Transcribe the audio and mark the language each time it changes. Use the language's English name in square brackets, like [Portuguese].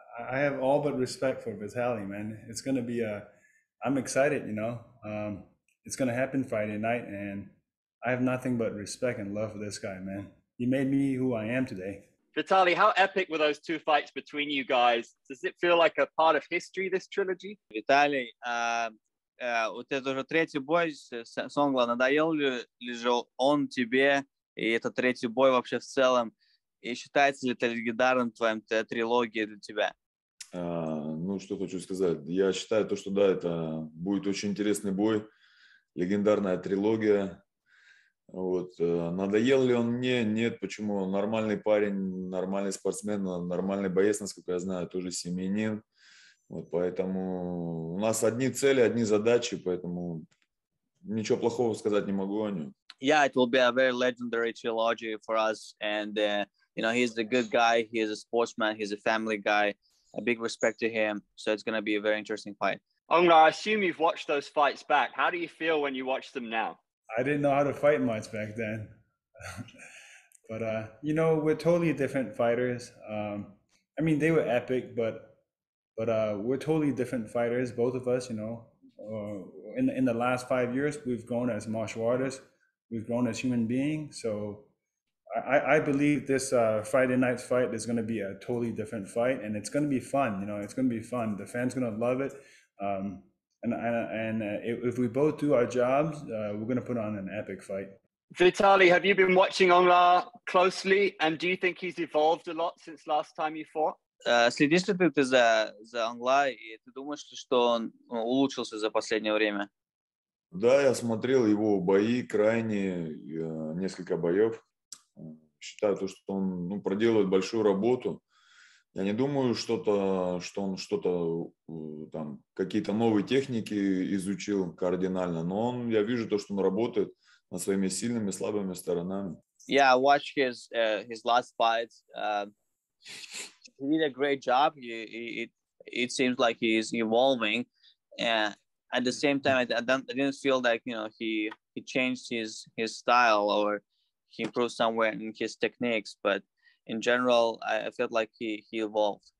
[English] I have all but respect for Vitaly, man. It's going to be I'm excited, you know. It's going to happen Friday night, and I have nothing but respect and love for this guy, man. He made me who I am today. Vitaly, how epic were those two fights between you guys? Does it feel like a part of history, this trilogy? [Russian] Vitaly, это уже третий бой, Сонгла надоел ли же он тебе, и это третий бой вообще в целом, и считается ли это легендарным твоим трилогией для тебя? Ну, что хочу сказать, я считаю то, что да, это будет очень интересный бой, легендарная трилогия. Вот, надоел ли он мне? Нет, почему? Нормальный парень, нормальный спортсмен, нормальный боец, насколько я знаю, тоже семьянин. Вот, поэтому у нас одни цели, одни задачи, поэтому ничего плохого сказать не могу о нем. [English] Yeah, it will be a very legendary trilogy for us, and you know, he's a good guy, he's a sportsman, he's a family guy. A big respect to him, so it's going to be a very interesting fight. Aung La, I assume you've watched those fights back. How do you feel when you watch them now? I didn't know how to fight much back then. But, you know, we're totally different fighters. I mean, they were epic, but we're totally different fighters, both of us, you know. In the last 5 years, we've grown as martial artists. We've grown as human beings. So I believe this Friday night's fight is going to be a totally different fight. And it's going to be fun, you know. It's going to be fun. The fans are going to love it. If we both do our jobs, we're going to put on an epic fight. Vitaly, have you been watching Aung La closely, and do you think he's evolved a lot since last time you fought? [Russian] Следишь ли ты за Aung La, и ты думаешь ли, что он улучшился за последнее время? Да, я смотрел его бои крайние, несколько боев. Считаю то, что он, ну, проделывает большую работу. Я не думаю, что он что-то там, какие-то новые техники изучил кардинально, но он, я вижу то, что он работает над своими сильными и слабыми сторонами. [English] Yeah, I watched his last fight. He did a great job. It seems like he is evolving. At the same time, I didn't feel like, you know, he changed his style, or he improved somewhere in his techniques, but in general, I felt like he evolved.